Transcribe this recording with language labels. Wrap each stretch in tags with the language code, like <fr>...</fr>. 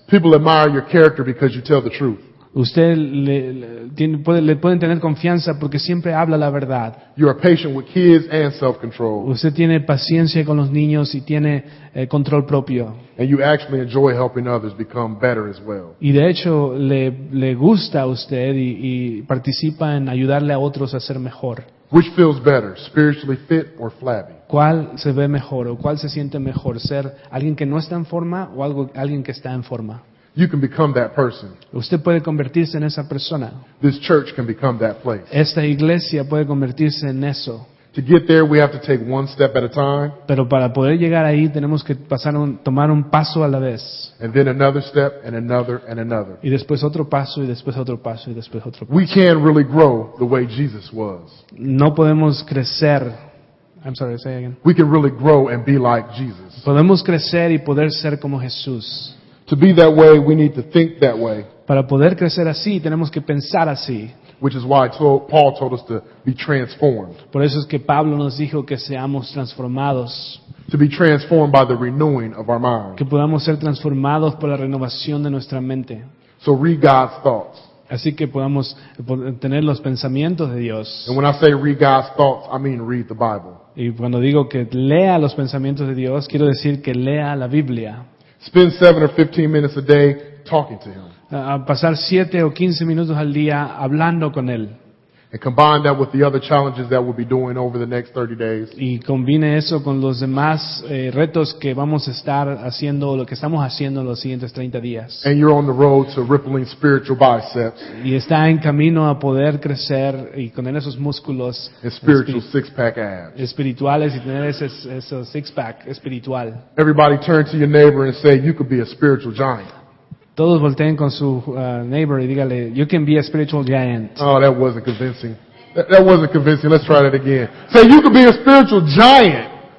<en>People admire your character because you tell the truth.</en> <es>Usted le pueden tener confianza porque siempre habla la verdad.</es> <en>You are patient with kids and self-control.</en> <es>Usted tiene paciencia con los niños y tiene control propio.</es> <en>And you actually enjoy helping others become better as well.</en> <es>Y de hecho le gusta a usted y participa en ayudarle a otros a ser mejor.</es> <en>Which feels better, spiritually fit or flabby?</en> <es>¿Cuál se ve mejor o cuál se siente mejor, ser alguien que no está en forma o alguien que está en forma?</es> <en>You can become that person.</en> <es>Usted puede convertirse en esa persona.</es> <en>This church can become that place.</en> <es>Esta iglesia puede convertirse en eso.</es> <en>To get there, we have to take one step at a time.</en> <es>Pero para poder llegar ahí, tenemos que pasar tomar un paso a la vez.</es> <en>And then another step, and another, and another.</en> <es>Y después otro paso, y después otro paso, y después otro paso.</es> <en>We can't really grow the way Jesus was.</en> <es>No podemos crecer.</es> <en>I'm sorry, say again. We can really grow and be like Jesus.</en> <es>Podemos crecer y poder ser como Jesús.</es> <en>To be that way, we need to think that way.</en> <es>Para poder crecer así, tenemos que pensar así.</es> <en>Which is why Paul told us to be transformed.</en> <es>Por eso es que Pablo nos dijo que seamos transformados.</es> <en>To be transformed by the renewing of our mind.</en> <es>Que podamos ser transformados por la renovación de nuestra mente.</es> <en>So read God's thoughts.</en> <es>Así que podamos tener los pensamientos de Dios.</es> <en>And when I say read God's thoughts, I mean read the Bible.</en> <es>Y cuando digo que lea los pensamientos de Dios, quiero decir que lea la Biblia.</es> <en>Spend 7 or 15 minutes a day talking to Him.</en> <es>A pasar 7 o 15 minutos al día hablando con Él.</es> <en>And combine that with the other challenges that we'll be doing over the next 30 days.</en> <es>Y combine eso con los demás retos que vamos a estar haciendo, lo que estamos haciendo en los siguientes 30 días.</es> <en>And you're on the road to rippling spiritual biceps.</en> <es>Y está en camino a poder crecer y tener esos músculos.</es> <en>And spiritual six-pack abs.</en> <es>Espirituales y tener ese six-pack espiritual.</es> <en>Everybody turn to your neighbor and say, you could be a spiritual giant.</en> <es>Todos volteen con su neighbor y dígale,</es> <en>you can be a spiritual giant. Oh, that wasn't convincing. That wasn't convincing. Let's try that again. Say, you can be a spiritual giant.</en>